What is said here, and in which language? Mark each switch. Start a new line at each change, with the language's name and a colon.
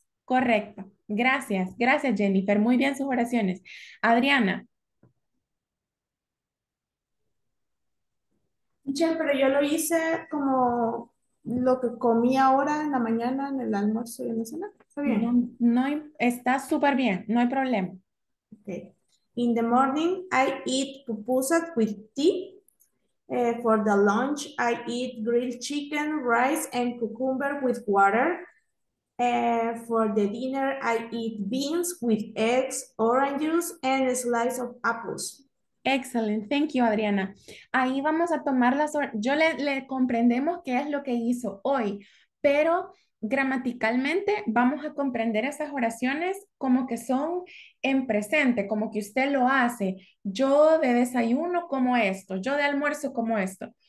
Spanish: Correcto. Gracias. Gracias, Jennifer. Muy bien sus oraciones. Adriana. Michelle, pero yo lo hice como lo que comí ahora en la mañana, en el almuerzo y en la cena. ¿Está bien? Está súper bien. No hay problema.
English: Okay. In the morning, I eat pupusas with tea. For the lunch, I eat grilled chicken, rice, and cucumber with water. For the dinner, I eat beans with eggs, oranges, and a slice of apples. Excellent. Thank you, Adriana.
Spanish: Ahí vamos a tomar las... Yo le comprendemos qué es lo que hizo hoy, pero gramaticalmente vamos a comprender esas oraciones como que son en presente, como que usted lo hace. Yo de desayuno como esto, yo de almuerzo como esto.